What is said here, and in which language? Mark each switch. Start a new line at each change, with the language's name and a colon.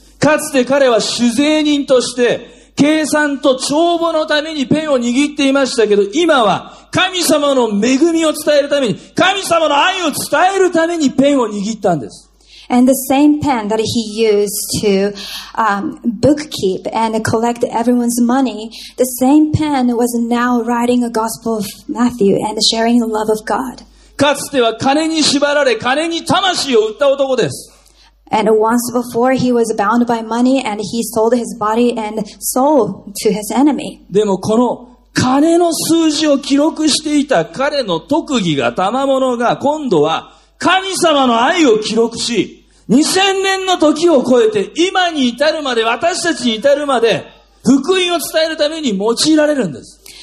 Japanese: かつて彼は主税人として計算と帳簿のためにペンを握っていましたけど、今は神様の恵みを伝えるために、神様の愛を伝えるためにペンを握ったんです。
English: And the same pen that he used to, bookkeep and collect everyone's money, the same pen was now writing a gospel of Matthew and sharing the love of God.
Japanese: かつては金に縛られ、金に魂を売った男です。
English: And once before he was bound by money and he sold his body and soul to his enemy.
Japanese: でもこの金の数字を記録していた彼の特技が、賜物が、今度は神様の愛を記録し、2000年の時を超えて今に至るまで、私たちに至るまで、福音を伝えるために用いられるんです。